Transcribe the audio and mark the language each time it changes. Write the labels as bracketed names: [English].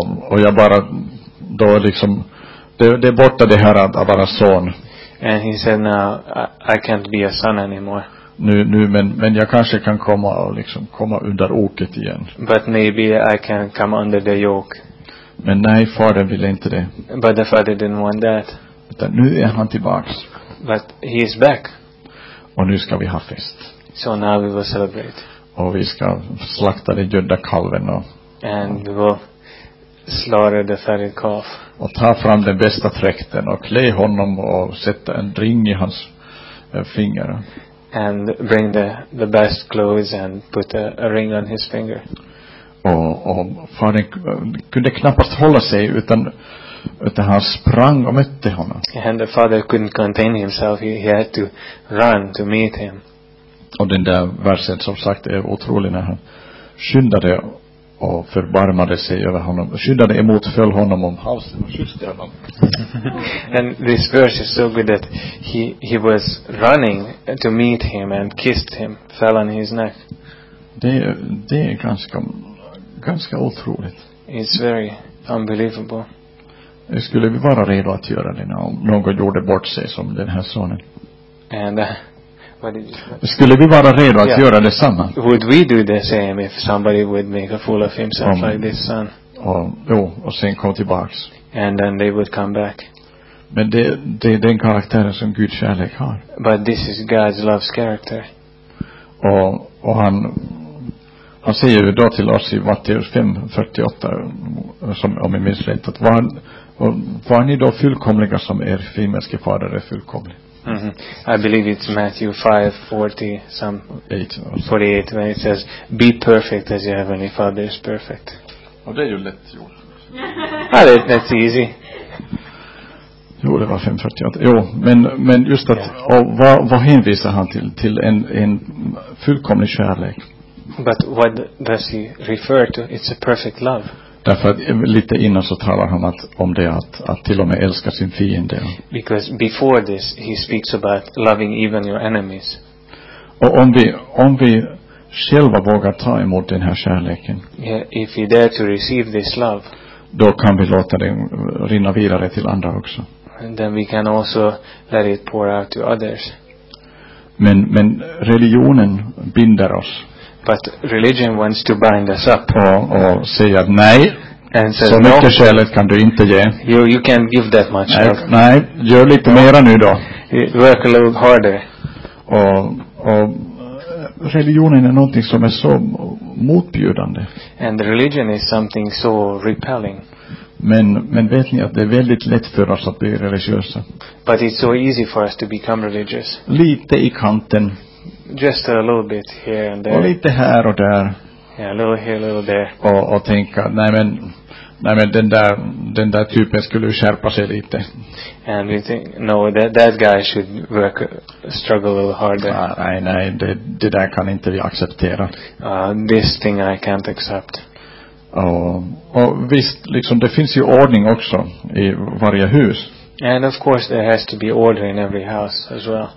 [Swedish] Och jag bara då liksom det är borta det här att vara son. [English] And he said, now I can't be a son anymore. [Swedish] Nu men jag kanske kan komma och liksom komma under oket igen. [English] But maybe I can come under the yoke. [Swedish] Men nej, fadern ville inte det. [English] But the father didn't want that. [Swedish] Utan nu är han tillbaks. [English] But he is back. [Swedish] Och nu ska vi ha fest. [English] So now we will celebrate. [Swedish] Och vi ska slakta den gödda kalven och. [English] And we will slaughter the fatted calf. [Swedish] Och ta fram den bästa träkten och klä honom och sätta en ring i hans finger. [English] And bring the best clothes and put a ring on his finger. [Swedish] Och fadern kunde knappast hålla sig utan han sprang och mötte honom. [English] And the father couldn't contain himself. He had to run to meet him. [Swedish] Och den där versen som sagt är otrolig när han skyndade och förbarmade sig över honom. Skyndade emot, föll honom om halsen och kysste honom. [English] And this verse is so good that he was running to meet him and kissed him, fell on his neck. [Swedish] Det är ganska otroligt. [English] It's very unbelievable. [Swedish] Jag skulle vi vara redo att göra det nu, om någon gjorde bort sig som den här sonen? [English] And [Swedish] skulle vi vara redo att göra detsamma? [English] Would we do the same if somebody would make a fool of himself like this son? [Swedish] Och sen kom tillbaks. [English] And then they would come back. [Swedish] Men det är den karaktären som Guds kärlek har. [English] But this is God's love's character. [Swedish] Och han säger ju då till oss i Matteus 5:48, som om jag minns rätt, att var ni då fullkomliga som er himmelske fader är fullkomlig? [English] Mm-hmm. I believe it's Matthew 5:48 when it says, "Be perfect as your heavenly Father is perfect." [Swedish] Och det är ju lätt gjort. [English] Ah, that's easy. [Swedish] Jo, det var 5:48. Jo, men just att vad hänvisar han till en fullkomlig kärlek? [English] But what does he refer to? It's a perfect love. [Swedish] Därför att lite innan så talar han om det att till och med älska sin fiende. [English] Because before this he speaks about loving even your enemies. [Swedish] Och om vi själva vågar ta emot den här kärleken. [English] Yeah, if you dare to receive this love. [Swedish] Då kan vi låta den rinna vidare till andra också. [English] And then we can also let it pour out to others. [Swedish] Men religionen binder oss. [English] But religion wants to bind us up. [Swedish] Och säga nej. [English] And says, [Swedish] så [English] no, [Swedish] mycket kärlek kan du inte ge. [English] You can't give that much. [Swedish] Nej, gör lite mera nu då. [English] Work a little harder. [Swedish] Och religionen är någonting som är så motbjudande. [English] And religion is something so repelling. [Swedish] Men vet ni att det är väldigt lätt för oss att bli religiösa. [English] But it's so easy for us to become religious. [Swedish] Lite i kanten. [English] Just a little bit here and there. [Swedish] Och lite här och där. [English] Yeah, a little here, a little there. [Swedish] Och tänka, nej men den där typen skulle skärpa sig lite. [English] And we think, no, that guy should work, struggle a little harder. [Swedish] Nej, det där kan inte vi acceptera. [English] This thing I can't accept. [Swedish] Och visst, liksom det finns ju ordning också i varje hus. [English] And of course there has to be order in every house as well.